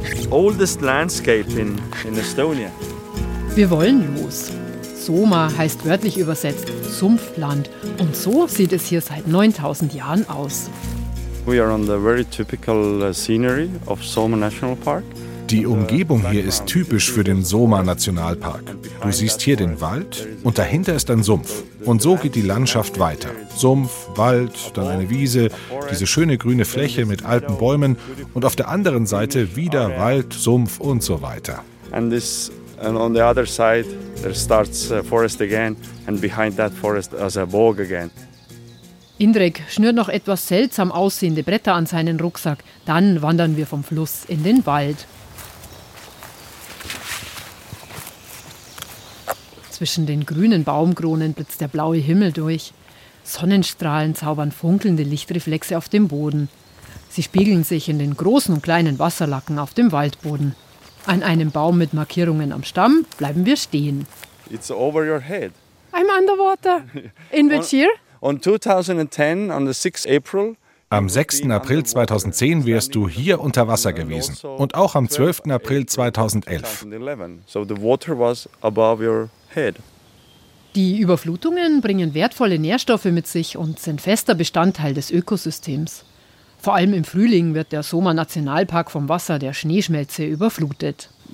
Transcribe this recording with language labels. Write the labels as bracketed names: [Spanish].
[English] Oldest landscape in Estonia. [German] Wir wollen los. Soma heißt wörtlich übersetzt Sumpfland und so sieht es hier seit 9000 Jahren aus. [English] We are on the very typical scenery of Soma National Park. [German] Die Umgebung hier ist typisch für den Soma Nationalpark. Du siehst hier den Wald und dahinter ist ein Sumpf. Und so geht die Landschaft weiter. Sumpf, Wald, dann eine Wiese, diese schöne grüne Fläche mit alten Bäumen und auf der anderen Seite wieder Wald, Sumpf und so weiter. [English] And this and on the other side there starts forest again and behind that forest as a bog again. [German] Indrek schnürt noch etwas seltsam aussehende Bretter an seinen Rucksack, dann wandern wir vom Fluss in den Wald. Zwischen den grünen Baumkronen blitzt der blaue Himmel durch. Sonnenstrahlen zaubern funkelnde Lichtreflexe auf dem Boden. Sie spiegeln sich in den großen und kleinen Wasserlacken auf dem Waldboden. An einem Baum mit Markierungen am Stamm bleiben wir stehen. [English] It's over your head. I'm underwater. In which year? On 2010, on the 6th April. [German] Am 6. April 2010 wärst du hier unter Wasser gewesen. Und auch am 12. April 2011. [English] So the water was above your head. [German] Die Überflutungen bringen wertvolle Nährstoffe mit sich und sind fester Bestandteil des Ökosystems. Vor allem im Frühling wird der Soma Nationalpark vom Wasser der Schneeschmelze überflutet.